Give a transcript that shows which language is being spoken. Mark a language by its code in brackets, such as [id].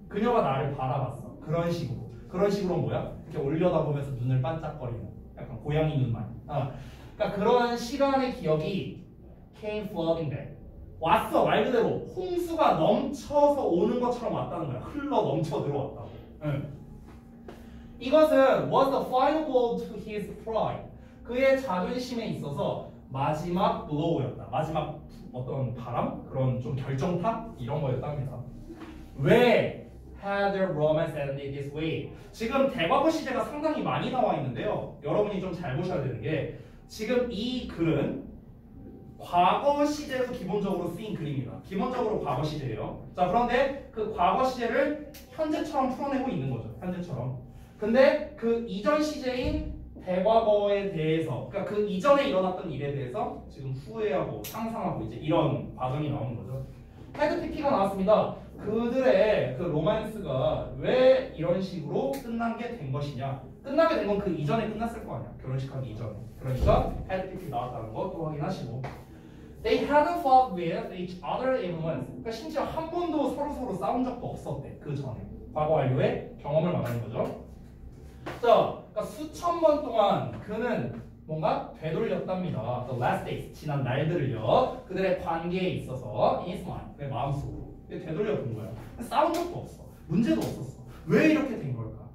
[ko] 그녀가 나를 바라봤어. 그런 식으로. 그런 식으로 뭐야? 이렇게 올려다보면서 눈을 반짝거리는 약간 고양이 눈만. 그러니까 그러한 시간의 기억이 [en] came flooding back. [ko] 왔어. 말 그대로 홍수가 넘쳐서 오는 것처럼 왔다는 거야. 흘러 넘쳐 들어왔다고. 이것은 [en] was the final blow to his pride. [ko] 그의 자존심에 있어서 마지막 blow였다. 마지막 어떤 바람? 그런 좀 결정타? 이런 거였답니다. 왜 [en] had their romance ended this way? [ko] 지금 대과거 시제가 상당히 많이 나와 있는데요. 여러분이 좀 잘 보셔야 되는 게 지금 이 글은 과거 시제에서 기본적으로 쓰인 글입니다. 기본적으로 과거 시제예요. 자, 그런데 그 과거 시제를 현재처럼 풀어내고 있는 거죠. 현재처럼. 근데 그 이전 시제인 대과거에 대해서, 그러니까 그 이전에 일어났던 일에 대해서 지금 후회하고 상상하고 이제 이런 과정이 나오는 거죠. 헤드피키가 나왔습니다. 그들의 그 로맨스가 왜 이런 식으로 끝난 게 된 것이냐. 끝나게 된 건 그 이전에 끝났을 거 아니야. 결혼식하기 이전에. 그러니까 헤드피키 나왔다는 거 또 확인하시고. [en] They hadn't fought with each other in months. [ko] 그러니까 심지어 한 번도 서로 싸운 적도 없었대. 그 전에. 과거 완료의 경험을 말하는 거죠. 자, 그러니까 수천 번 동안 그는 뭔가 되돌렸답니다. [en] The last days, [ko] 지난 날들을요. 그들의 관계에 있어서 [en] in his mind, [ko] 내 마음속으로 되돌려 본 거야. 싸운 적도 없어. 문제도 없었어. 왜 이렇게 된 걸까?